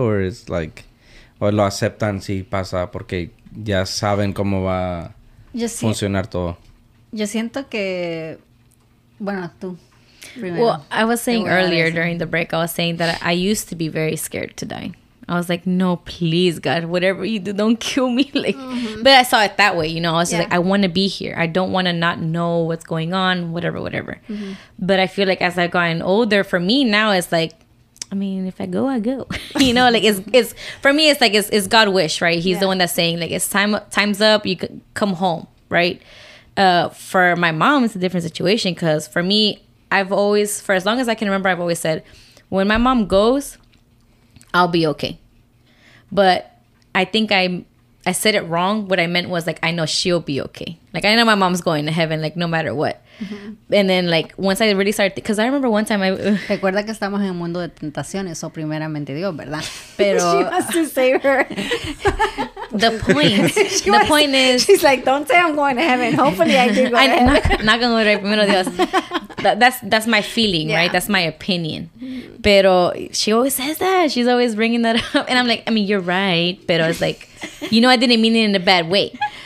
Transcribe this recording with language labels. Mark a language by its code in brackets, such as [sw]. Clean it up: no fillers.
[es] Or is, like, o lo aceptan si pasa porque ya saben cómo va a funcionar todo. Yo siento que, bueno, tú. Primero. [en] Well, I was saying earlier during the break, I was saying that I used to be very scared to die. I was like, no, please, God, whatever you do, don't kill me. Like, but I saw it that way, you know. I was just like, I want to be here. I don't want to not know what's going on, whatever, whatever. But I feel like as I've gotten older, for me now, it's like, I mean, if I go, I go. You know, like, it's for me, it's like, it's God wish, right? He's the one that's saying, like, it's time's up, you can come home, right? For my mom, it's a different situation because for me, I've always, for as long as I can remember, I've always said, when my mom goes, I'll be okay. But I think I said it wrong. What I meant was, like, I know she'll be okay. Like, I know my mom's going to heaven, like, no matter what. And then, like, once I really started... Because I remember one time I... [es] Recuerda que estamos en un mundo de tentaciones, o primeramente Dios, ¿verdad? Pero... [en] She wants to save her. The point. The point is... She's like, don't say I'm going to heaven. Hopefully I do go to heaven. Not going to go to heaven. That's my feeling, right? That's my opinion. Pero she always says that. She's always bringing that up. And I'm like, I mean, you're right. Pero it's like, you know, I didn't mean it in a bad way.